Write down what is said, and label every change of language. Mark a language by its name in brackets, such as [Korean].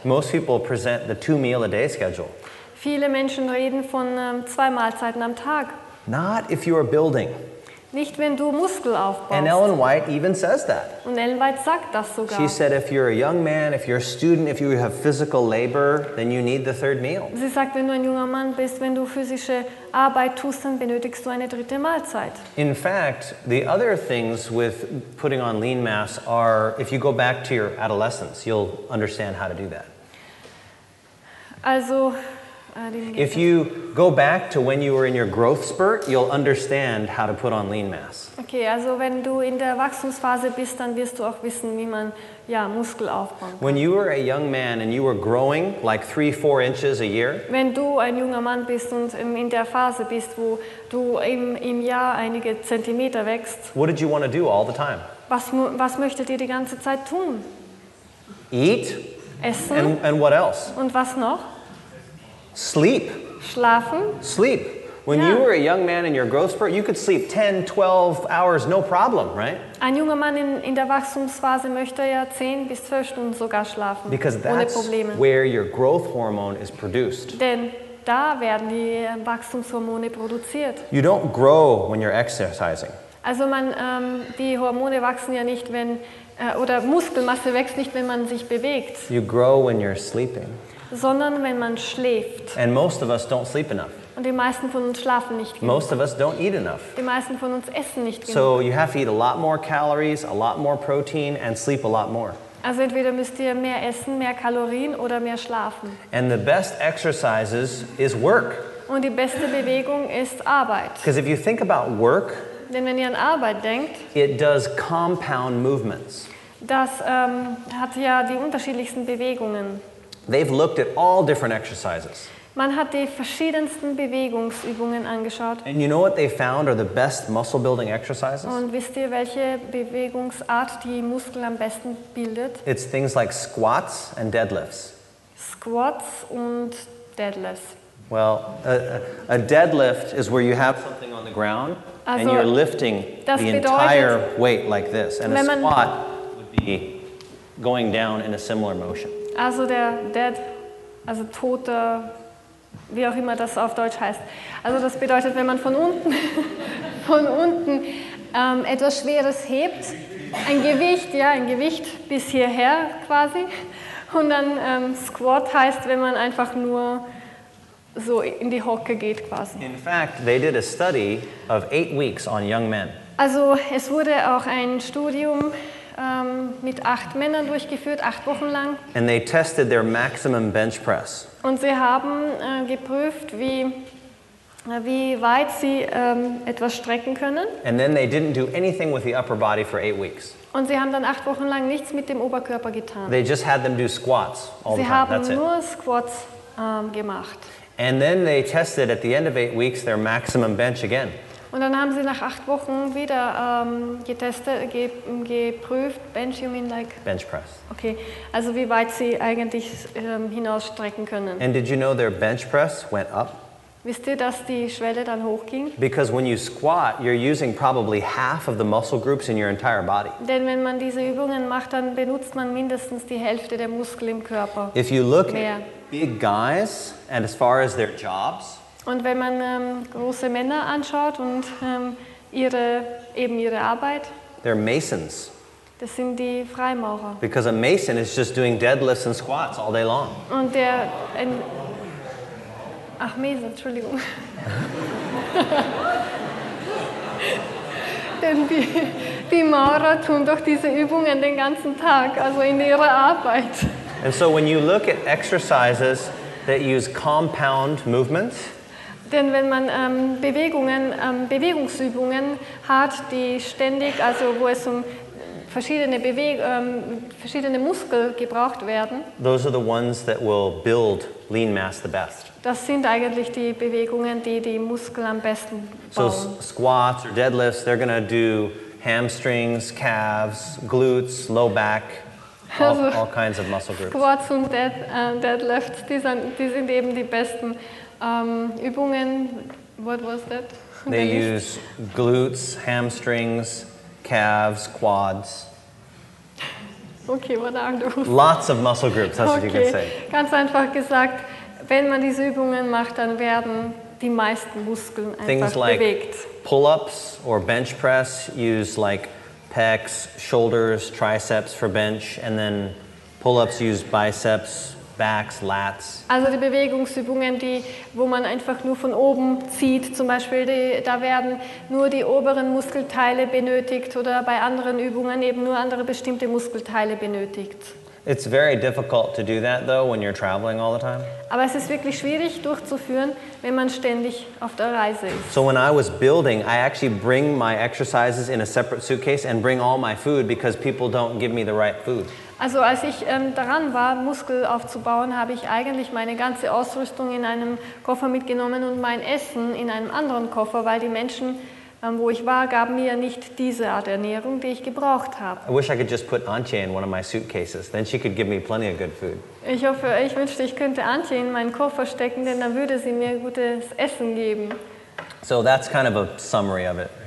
[English] Most people present the 2-meal-a-day schedule. [German] Viele Menschen reden von 2 Mahlzeiten am Tag. [English] Not if you are building. [German] Nicht, wenn du Muskel aufbaust. [English] And Ellen White even says that. [German] Und Ellen White sagt das sogar. [English] She said, if you're a young man, if you're a student, if you have physical labor, then you need the third meal. [German] Sie sagt, wenn du ein junger Mann bist, wenn du physische Arbeit tust, dann benötigst du eine dritte Mahlzeit. [English] In fact, the other things with putting on lean mass are, if you go back to your adolescence, you'll understand how to do that. Also, if you go back to when you were in your growth spurt, you'll understand how to put on lean mass. [German] Okay, also wenn du in der Wachstumsphase bist, dann wirst du auch wissen, wie man Muskel aufbauen kann. [English] When you were a young man and you were growing like 3-4 inches a year. [German] Wenn du ein junger Mann bist und in der Phase bist, wo du im Jahr einige Zentimeter wächst. [English] What did you want to do all the time? [German] Was möchtet ihr die ganze Zeit tun? [English] Eat. [German] Essen. [English] And what else? [German] Und was noch? [English] Sleep. [German] Schlafen. [English] Sleep. When you were a young man in your growth spurt, you could sleep 10, 12 hours, no problem, right? [German] Ein junger Mann in der Wachstumsphase möchte ja 10 bis 12 Stunden sogar schlafen, [English] because [German] ohne [English] that's [German] Probleme. [English] Where your growth hormone is produced. [German] Denn da werden die Wachstumshormone produziert. [English] You don't grow when you're exercising. [German] Also man, die Hormone wachsen ja nicht, wenn, oder Muskelmasse wächst nicht, wenn man sich bewegt. [English] You grow when you're sleeping. [German] Sondern wenn man schläft. [English] And most of us don't sleep enough. [German] Und die meisten von uns schlafen nicht genug. [English] Most of us don't eat enough. [German] Die meisten von uns essen nicht genug. [English] So you have to eat a lot more calories, a lot more protein and sleep a lot more. [German] Also entweder müsst ihr mehr essen, mehr Kalorien oder mehr schlafen. [English] And the best exercises is work. [German] Und die beste Bewegung ist Arbeit. [English] Because if you think about work, [German] denn wenn ihr an Arbeit denkt, [English] it does compound movements. [German] Das hat ja die unterschiedlichsten Bewegungen. [English] They've looked at all different exercises. [German] Man hat die verschiedensten Bewegungsübungen angeschaut. [English] And you know what they found are the best muscle building exercises? [German] Und wisst ihr, welche Bewegungsart die Muskeln am besten bildet? [English] It's things like squats and deadlifts. [German] Squats und deadlifts. [English] Well, a deadlift is where you have something on the ground [German] also, [English] and you're lifting [German] das [English] the [German] bedeutet, [English] entire weight like this. And a squat would be going down in a similar motion. [German] Also der Dead, also Tote, wie auch immer das auf Deutsch heißt. Also das bedeutet, wenn man von unten etwas Schweres hebt, ein Gewicht bis hierher quasi, und dann Squat heißt, wenn man einfach nur so in die Hocke geht quasi. [English] In fact, they did a study of 8 weeks on young men. [German] Also es wurde auch ein Studium mit 8 Männern durchgeführt, 8 Wochen lang. [English] And they tested their maximum bench press. [German] Und sie haben geprüft, wie weit sie etwas strecken können. [English] And then they didn't do anything with the upper body for 8 weeks. [German] Und sie haben dann 8 Wochen lang nichts mit dem Oberkörper getan. [English] They just had them do squats all [German] sie [English] the time. [German] Sie haben [English] That's [German] nur [English] it. [German] Squats gemacht. [English] And then they tested at the end of 8 weeks their maximum bench again. [German] Und dann haben sie nach 8 Wochen wieder geprüft. [English] Bench, you mean like? Bench press. [German] Okay, also wie weit sie eigentlich hinausstrecken können. [English] And did you know their bench press went up? [German] Wisst ihr, dass die Schwelle dann hochging? [English] Because when you squat, you're using probably half of the muscle groups in your entire body. [German] Denn wenn man diese Übungen macht, dann benutzt man mindestens die Hälfte der Muskel im Körper. [English] If you look at big guys and as far as their jobs, [German] und wenn man große Männer anschaut und ihre Arbeit, [English] they're masons. [German] Das sind die Freimaurer. [English] Because a mason is just doing deadlifts and squats all day long. [German] Und der ein Ach, Mason, Entschuldigung. Denn die Maurer tun doch diese Übungen den ganzen Tag, also in ihrer Arbeit. [English] And so when you look at exercises that use compound movements, [German] denn wenn man Bewegungsübungen hat, die ständig, also wo es um verschiedene Muskeln gebraucht werden, [English] those are the ones that will build lean mass the best. [German] Das sind eigentlich die Bewegungen, die Muskeln am besten bauen. [English] So squats or deadlifts, they're gonna do hamstrings, calves, glutes, low back. All kinds of muscle groups. [German] Squats und deadlifts, die sind eben die besten Übungen. [English] What was that? They use glutes, hamstrings, calves, quads. Okay, what are those? Lots of muscle groups, that's okay. What you can say. [German] Ganz einfach gesagt, wenn man diese Übungen macht, dann werden die meisten Muskeln einfach [English] Things [German] bewegt. [English] Things like pull-ups or bench press use like pecs, shoulders, triceps for bench, and then pull-ups use biceps, backs, lats. [German] Also die Bewegungsübungen, die, wo man einfach nur von oben zieht, zum Beispiel, da werden nur die oberen Muskelteile benötigt oder bei anderen Übungen eben nur andere bestimmte Muskelteile benötigt. [English] It's very difficult to do that though when you're traveling all the time. [German] Aber es ist wirklich schwierig durchzuführen, wenn man ständig auf der Reise ist. [English] So when I was building, I actually bring my exercises in a separate suitcase and bring all my food because people don't give me the right food. [German] Also als ich daran war, Muskel aufzubauen, habe ich eigentlich meine ganze Ausrüstung in einem Koffer mitgenommen und mein Essen in einem anderen Koffer, weil die Menschen, wo ich war, gaben mir nicht diese Art Ernährung, die ich gebraucht habe. [English] I wish I could just put Antje in one of my suitcases, then she could give me plenty of good food. [German] Ich wünschte, ich könnte Antje in meinen Koffer stecken, denn dann würde sie mir gutes Essen geben. [English] So that's kind of a summary of it.